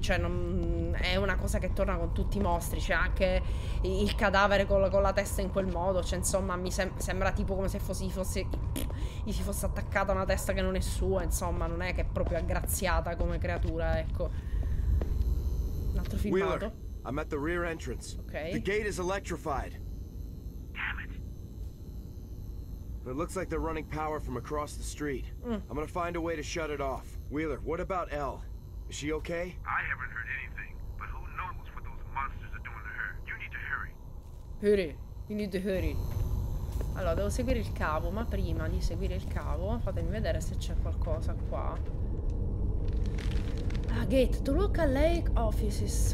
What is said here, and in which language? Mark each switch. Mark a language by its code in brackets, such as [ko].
[it] Cioè, non, è una cosa che torna con tutti i mostri. C'è anche il cadavere con la testa in quel modo. Cioè, insomma, mi sembra tipo come se gli si fosse attaccata una testa che non è sua. Insomma, non è che è proprio aggraziata come creatura, ecco. Un altro filmato. [en] Wheeler, I'm at the rear entrance. Okay. The gate is electrified. It looks like they're running power from across the street. I'm gonna find a way to shut it off. Wheeler, what about Elle? Is she okay? I haven't heard anything, but who knows what those monsters are doing to her. You need to hurry. Hurry. You need to hurry. [it] Allora, devo seguire il cavo, ma prima di seguire il cavo, fatemi vedere se c'è qualcosa qua. [en] Ah, gate to local lake offices.